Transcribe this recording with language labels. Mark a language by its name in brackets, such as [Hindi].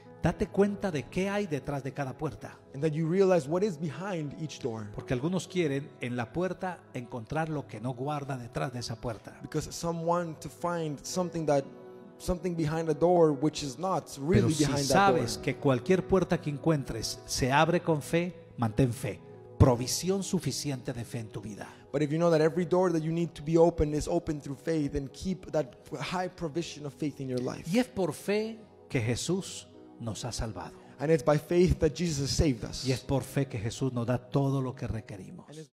[Spanish] Date cuenta de qué hay detrás de cada puerta. [English] And that you realize what is behind each door. [Spanish] Porque algunos quieren en la puerta encontrar lo que no guarda detrás de esa puerta. [English] Because some want to find something behind a door which is not really [Spanish] si [English] behind that door. [Spanish] Pero sabes que cualquier puerta que encuentres se abre con fe, mantén fe. Provisión suficiente de fe en tu vida. [English] But if you know that every door that you need to be open is open through faith, then keep that high provision of faith in your life. [Spanish] Y es por fe que Jesús nos ha salvado. [English] And it's by faith that Jesus has saved us. [Spanish] Y es por fe que Jesús nos da todo lo que requerimos.